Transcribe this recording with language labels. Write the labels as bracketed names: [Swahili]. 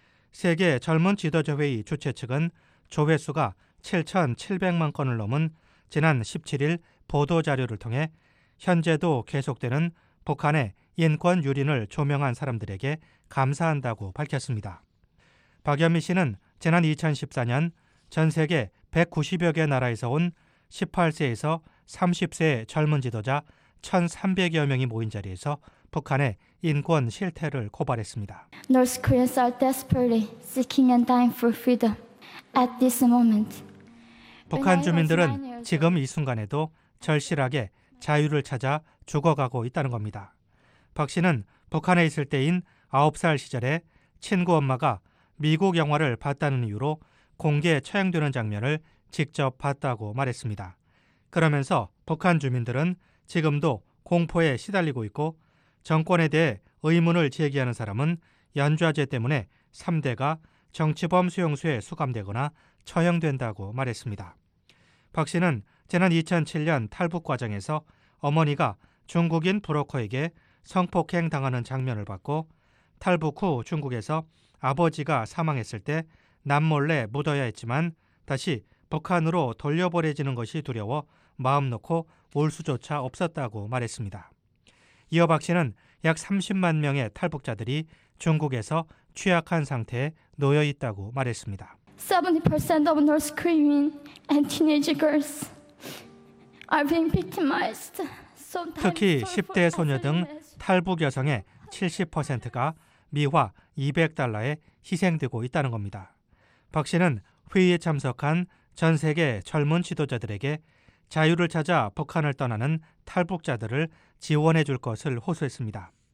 [Korean] 세계 젊은 지도자 회의 주최 측은 조회수가 7,700만 건을 넘은 지난 17일 보도자료를 통해 현재도 계속되는 북한의 인권 유린을 조명한 사람들에게 감사한다고 밝혔습니다. 박연미 씨는 지난 2014년 전 세계 190여 개 나라에서 온 18세에서 30세의 젊은 지도자 1,300여 명이 모인 자리에서 북한의 인권 실태를 고발했습니다. [English] North Koreans are desperately seeking and dying for freedom at this moment. [Korean] 북한 주민들은 지금 이 순간에도 절실하게 자유를 찾아 죽어가고 있다는 겁니다. 박 씨는 북한에 있을 때인 9살 시절에 친구 엄마가 미국 영화를 봤다는 이유로 공개 처형되는 장면을 직접 봤다고 말했습니다. 그러면서 북한 주민들은 지금도 공포에 시달리고 있고 정권에 대해 의문을 제기하는 사람은 연좌제 때문에 3대가 정치범 수용소에 수감되거나 처형된다고 말했습니다. 박 씨는 지난 2007년 탈북 과정에서 어머니가 중국인 브로커에게 성폭행 당하는 장면을 봤고 탈북 후 중국에서 아버지가 사망했을 때 남몰래 묻어야 했지만 다시 북한으로 돌려보내지는 것이 두려워 마음 놓고 올 수조차 없었다고 말했습니다. 이어 박 씨는 약 30만 명의 탈북자들이 중국에서 취약한 상태에 놓여 있다고 말했습니다. [English] 70% of North Korean women and teenage girls are being victimized. [Korean] 특히 10대 소녀 등 탈북 여성의 70%가 미화 200달러에 희생되고 있다는 겁니다. 박 씨는 회의에 참석한 전 세계 젊은 지도자들에게 자유를 찾아 북한을 떠나는 탈북자들을 지원해 줄 것을 호소했습니다.